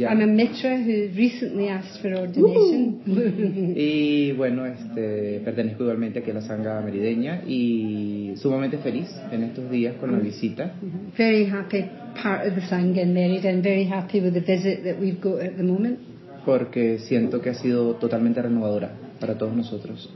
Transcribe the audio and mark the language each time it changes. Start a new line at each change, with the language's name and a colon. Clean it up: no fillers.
English: I'm a Mitra who recently asked for ordination.
Spanish: Y bueno, pertenezco igualmente aquí a la Sangha merideña y sumamente feliz en estos días con la visita. Mm-hmm.
English: Very happy part of the Sangha in Merida and very happy with the visit that we've got at the moment.
Spanish: Porque siento que ha sido totalmente renovadora para todos nosotros.